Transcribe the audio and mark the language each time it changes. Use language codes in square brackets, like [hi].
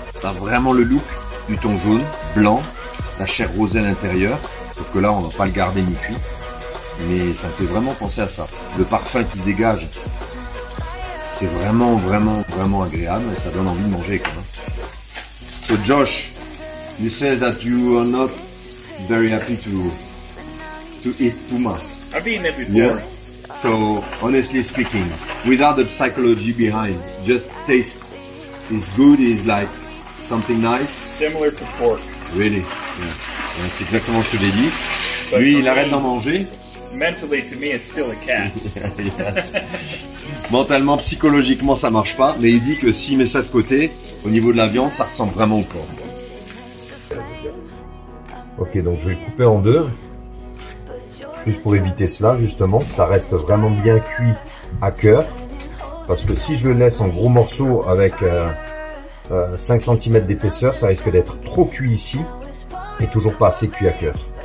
[fr] Ça a vraiment le look du thon jaune, blanc, la chair rosée à l'intérieur, sauf que là, on ne va pas le garder ni cuit. Mais ça me fait vraiment penser à ça. Le parfum qui dégage, c'est vraiment, vraiment, vraiment agréable et ça donne envie de manger quand même. [en] So Josh, you said that you are not very happy to eat puma. I've been there before. Yeah. So honestly speaking, without the psychology behind, just taste is good, is like something nice. Similar to pork. Really? Yeah. [fr] C'est exactement ce que j'ai dit. Lui, il arrête d'en manger. [en] Mentally, to me, it's still a cat. [fr] Mentalement, psychologiquement, ça marche pas, mais il dit que s'il met ça de côté, au niveau de la viande, ça ressemble vraiment au porc. Ok, donc je vais couper en deux, juste pour éviter cela, justement, ça reste vraiment bien cuit à cœur, parce que si je le laisse en gros morceaux avec 5 cm d'épaisseur, ça risque d'être trop cuit ici et toujours pas assez cuit à cœur.